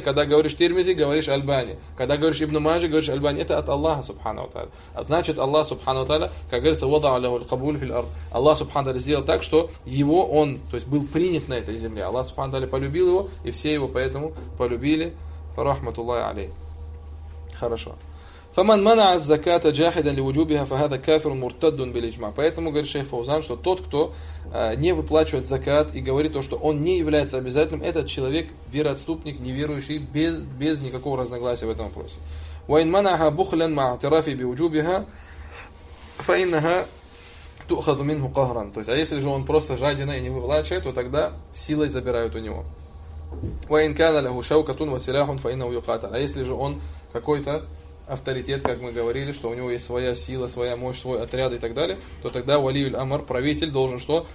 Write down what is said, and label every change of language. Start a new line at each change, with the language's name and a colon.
Russian: Когда говоришь Тирмиди, говоришь Аль-Бани. Когда говоришь Ибн Маджа, говоришь Аль-Бани. Это от Аллаха Субхану Тааля. А значит, Аллах Субхану Тааля, как говорится,
Arabic: вадаа лаху аль-кабуль филь ард.
Russian: Аллах Субхану Тааля сделал так, что его он, то есть был принят на этой земле. Аллах Субхану Тааля полюбил его, и все его поэтому полюбили. Фарахматуллах алейхи. Хорошо.
Arabic: فمن منع الزكاة جاحدا لوجوبها فهذا كافر مرتد بالإجماع.
Russian: Поэтому говорит шейх Фаузан, что тот, кто не выплачивает закат и говорит то, что он не является обязательным, этот человек вероотступник, неверующий без никакого разногласия в этом вопросе.
Arabic: وإن منعها بخلا مع اعترافه بوجوبها فإنها تؤخذ منه قهرا.
Russian: То есть, а если же он просто жадина и не выплачивает, то тогда силой забирают у него.
Arabic: وإن كان له شوكة وسلاح فإنه يقاتل.
Russian: А если же он какой-то авторитет, как мы говорили, что у него есть своя сила, своя мощь, свой отряд и так далее, то тогда Валиюль Амар, правитель, должен что?